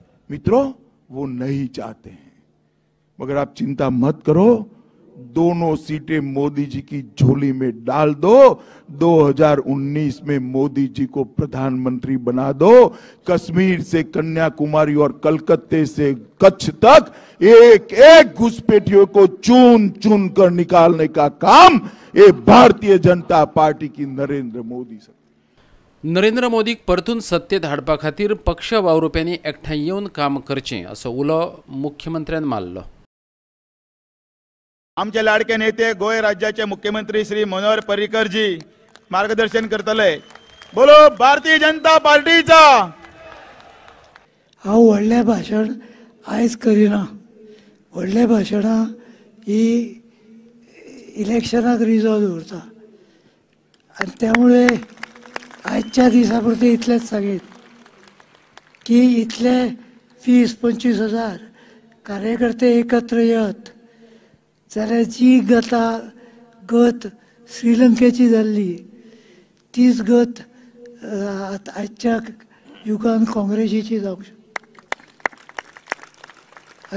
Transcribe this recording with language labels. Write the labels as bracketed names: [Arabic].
[Hindi] मित्रों, वो नहीं चाहते हैं। मगर आप चिंता मत करो, दोनों सीटें मोदी जी की झोली में डाल दो, 2019 में मोदी जी को प्रधानमंत्री बना दो, कश्मीर से कन्याकुमारी और कलकत्ते से कच्छ तक एक एक घुसपैठियों को चुन चुन कर निकालने का काम ये भारतीय जनता पार्टी की नरेंद्र मोदी सरकार। [Konkani] नरेंद्र मोदीक परतून सत्तेत हाडपा खातीर पक्ष वावुरप्यांनी एकठांय येवन काम करचे असो उलो मुख्यमंत्र्यान मारलो। आमचे लाडके नेते गोंय राज्याचे मुख्यमंत्री श्री मनोहर पर्रिकर जी मार्गदर्शन करतले। [Hindi] बोलो भारतीय जनता पार्टीचा। [Konkani] हांव व्हडलें भाषण आयज करिना, व्हडलें भाषणां ही इलेक्शनाक रिजल्ट उरता, आनी त्यामुळे आजच्या दिसापुरते इथलेच सांगेन की इथले 20-25 हजार कार्यकर्ते एकत्र येत जाल्यार जी गता गत श्रीलंकेची झाली तीच गत आजच्या युगांत काँग्रेसीची जाऊ शकता.